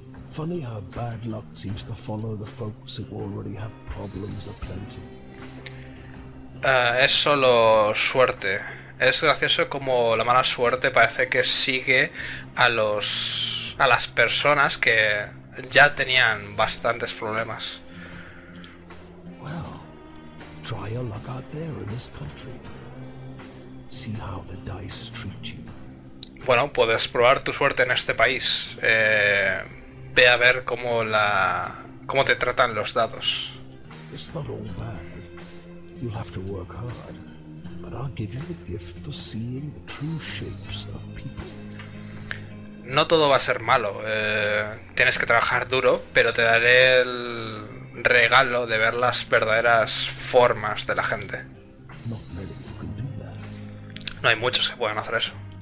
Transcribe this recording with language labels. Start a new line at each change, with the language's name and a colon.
English: Funny how bad luck seems to follow the folks who already have problems aplenty.
Spanish: Es solo suerte. Es gracioso como la mala suerte parece que sigue a los a las personas que ya tenían bastantes problemas.
English: Well, try your luck out there in this country. See how the dice treat you.
Spanish: Bueno, puedes probar tu suerte en este país. Ve a ver cómo la cómo te tratan los dados.
English: It's not all bad. You'll have to work hard, but I'll give you the gift for seeing the true shapes of people.
Spanish: No todo va a ser malo. Tienes que trabajar duro, pero te daré el regalo de ver las verdaderas formas de la gente.
English: Not many who can do that.
Spanish: No hay muchos que puedan hacer eso.